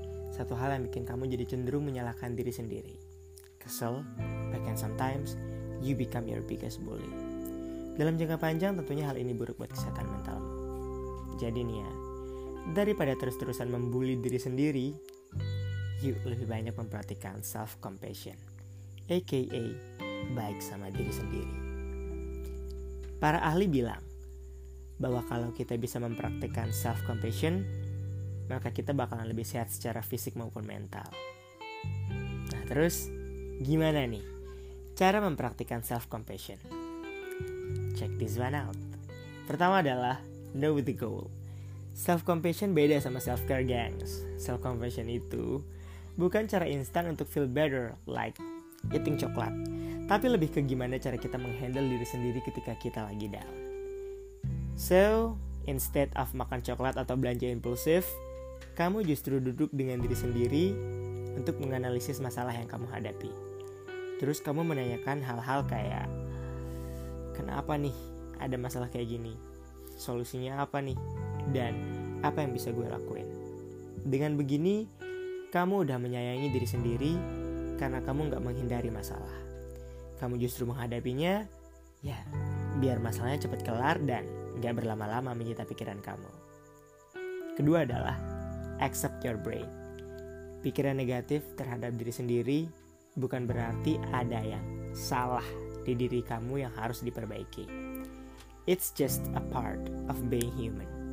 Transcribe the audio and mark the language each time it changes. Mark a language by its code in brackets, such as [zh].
[id] Satu hal yang bikin kamu jadi cenderung menyalahkan diri sendiri. Kesel, bahkan [en] sometimes you become your biggest bully. [id] Dalam jangka panjang tentunya hal ini buruk buat kesehatan mentalmu. Jadi nih ya, daripada terus-terusan membuli diri sendiri, yuk lebih banyak memperhatikan self-compassion, aka baik sama diri sendiri. Para ahli bilang bahwa kalau kita bisa mempraktikkan self-compassion, maka kita bakalan lebih sehat secara fisik maupun mental. Nah terus, gimana nih cara mempraktikkan self-compassion? [en] Check this one out. [id] Pertama adalah [en] know the goal. [id] Self-compassion beda sama self-care, gengs. Self-compassion itu bukan cara instan untuk [en] feel better, like eating [id] coklat, tapi lebih ke gimana cara kita menghandle diri sendiri ketika kita lagi down. [en] So, instead of [id] makan coklat atau belanja impulsif, kamu justru duduk dengan diri sendiri untuk menganalisis masalah yang kamu hadapi. Terus kamu menanyakan hal-hal kayak, kenapa nih ada masalah kayak gini? Solusinya apa nih? Dan apa yang bisa gue lakuin? Dengan begini, kamu udah menyayangi diri sendiri karena kamu gak menghindari masalah. Kamu justru menghadapinya, ya, biar masalahnya cepat kelar dan gak berlama-lama menyita pikiran kamu. Kedua adalah, [en] accept your brain. [id] Pikiran negatif terhadap diri sendiri bukan berarti ada yang salah di diri kamu yang harus diperbaiki. [en] It's just a part of being human.